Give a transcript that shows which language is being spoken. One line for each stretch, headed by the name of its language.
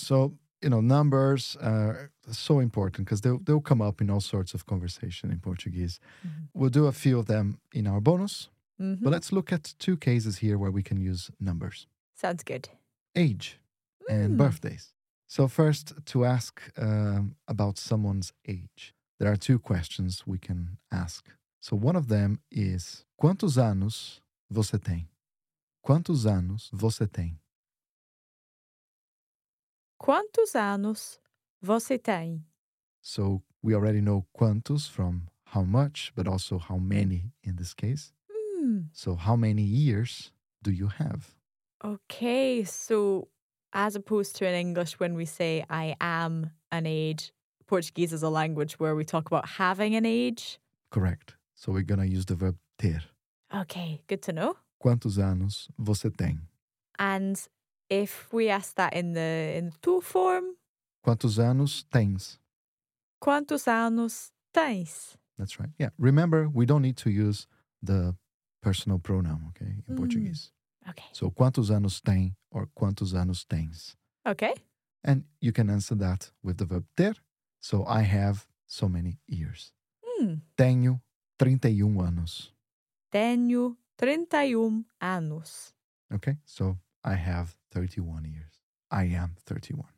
English: So, you know, numbers are so important because they'll come up in all sorts of conversation in Portuguese. Mm-hmm. We'll do a few of them in our bonus. Mm-hmm. But let's look at two cases here where we can use numbers. Sounds good. Age and birthdays. So first, to ask about someone's age, there are two questions we can ask. So one of them is,
Portuguese: quantos anos você tem? Quantos anos você tem? Quantos anos você tem?
English: So, we already know quantos from how much, but also how many in this case. Mm. So, how many years do you have? Okay, so as opposed to in English when we say I am an age, Portuguese is a language where we talk about having an age. Correct. So, we're going to use the verb ter. Okay, good to know.
Portuguese: Quantos anos você tem?
English: And if we ask that in the tu form.
Portuguese: Quantos anos tens? Quantos anos tens?
English: That's right. Yeah. Remember, we don't need to use the personal pronoun, okay, in Portuguese. Okay.
Portuguese: So, quantos anos tem or quantos anos tens?
English: Okay. And you can answer that with the verb ter. So, I have so many years.
Portuguese: Tenho 31 anos. Tenho 31 anos.
English: Okay. So, I have 31 years. I am 31.